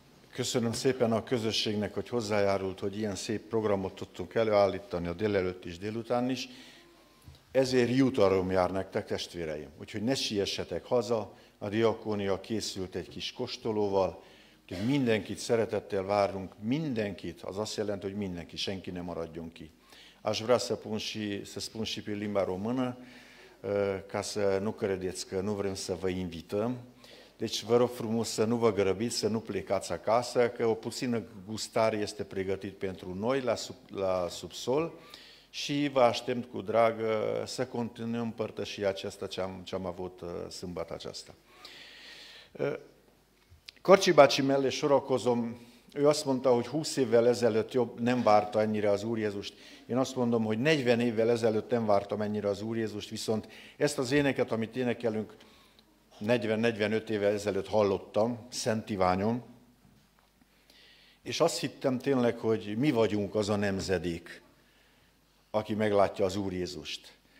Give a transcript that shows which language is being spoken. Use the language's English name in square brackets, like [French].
[Hungarian] Köszönöm szépen a közösségnek, hogy hozzájárult, hogy ilyen szép programot tudtunk előállítani a délelőtt is, délután is. Ezért jutalom jár nektek, testvéreim. Úgyhogy ne siessetek haza, a diakónia készült egy kis kóstolóval, úgyhogy mindenkit szeretettel várunk, mindenkit, az azt jelenti, hogy mindenki, senki ne maradjon ki. [Romanian] Až vrasa punši, se spunši pe limba română, ca să nu credeți că nu vrem să vă invităm. Deci vă rog frumos să nu vă grăbiți, să nu plecați acasă, că o puțină gustare este pregătit pentru noi la subsol și vă aștept cu drag să continuăm părtășia aceasta ce am avut sâmbătă aceasta. [Hungarian] Corci bácsi mellé sorakozom, ő azt mondta, hogy 20 évvel ezelőtt jobb, nem várta ennyire az Úr Jézust. Én azt mondom, hogy 40 évvel ezelőtt nem vártam ennyire az Úr Jézust, viszont ezt az éneket, amit énekelünk, 40-45 éve ezelőtt hallottam, Szent Iványon, és azt hittem tényleg, hogy mi vagyunk az a nemzedék, aki meglátja az Úr Jézust.